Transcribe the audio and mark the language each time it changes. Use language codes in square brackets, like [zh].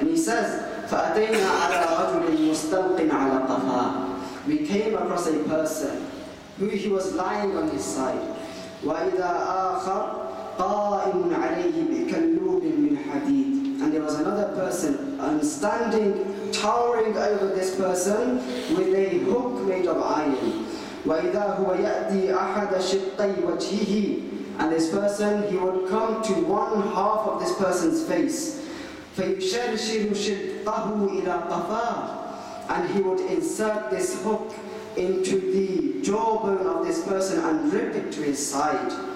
[ar] And he says, فأتينا على رجل مستلق على قفا. [en] We came across a person who he was lying on his side. [ar] وإذا آخر قائم عليه بكلوب من حديد. [en] And there was another person standing, towering over this person with a hook made of iron. [ar] وإذا هو يأتي أحد شقي وجهه. [en] And this person, he would come to one half of this person's face. [ar] فَيُشَرْشِرُ شِدْقَهُ إِلَى قَفَاهُ. [en] And he would insert this hook into the jawbone of this person and rip it to his side.